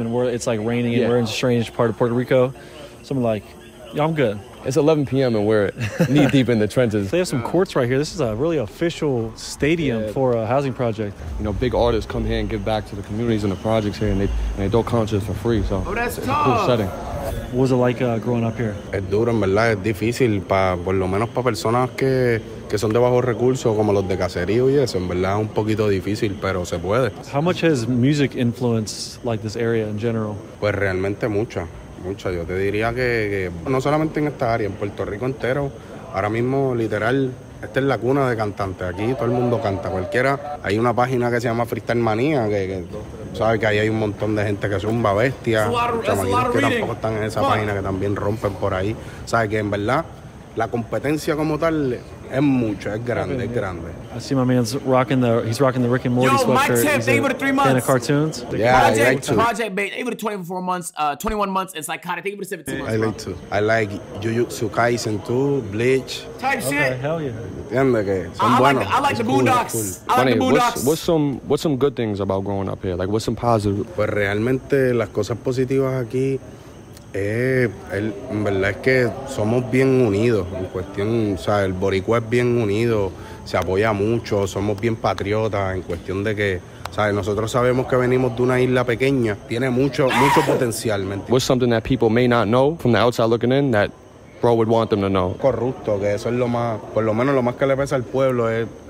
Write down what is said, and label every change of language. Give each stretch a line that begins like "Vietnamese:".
English: and it's like raining, and we're in a strange part of Puerto Rico. So I'm like, yeah, I'm good. It's 11 p.m. and we're knee deep in the trenches. They have some courts right here. This is a really official stadium for a housing project. You know, big artists come here and give back to the communities and the projects here, and they don't come just for free. So that's it's tough. A cool setting. What was it like growing up here?
Spanish: Es duro, en verdad. Es difícil para, por lo menos para personas que son de bajos recursos como los de caserío y eso. En verdad, un poquito difícil, pero se puede.
English: How much has music influenced like this area in general?
Spanish: Pues realmente mucha. Mucha, yo te diría que no solamente en esta área, en Puerto Rico entero, ahora mismo literal, esta es la cuna de cantantes, aquí todo el mundo canta, cualquiera. Hay una página que se llama Freestyle Manía, que sabes que ahí hay un montón de gente que zumba bestia, chamaquitos que tampoco están en esa página, que también rompen por ahí. Sabes que en verdad, la competencia como tal es mucho, es grande, es grande.
English: I see my man's rocking the Rick and Morty sweatshirt. Yo, Mike Tip, able to 3 months. And cartoons. Yeah, Project Bait, able to 24 months, 21 months, and Psychotic, able to 17 months. I like to. I like Jujutsu Kaisen too, Bleach. Type shit. Hell yeah.
Spanish: Entiende que son buenos.
English: I like the Boondocks. Cool. I like the Boondocks. What's some good things about growing up here? Like, what's some positive?
Spanish: Pues realmente las cosas positivas aquí. En verdad es que somos bien unidos en cuestión, o sea, el boricua es bien unido, se apoya mucho, somos bien patriotas en cuestión de que, o sea, nosotros sabemos que venimos de una isla pequeña, tiene mucho potencial, ¿me entiendes?
English: What's something that people may not know from the outside looking in that bro would want them to know?
Spanish: Corrupto, que eso es lo más, por lo menos lo más que le pesa al pueblo es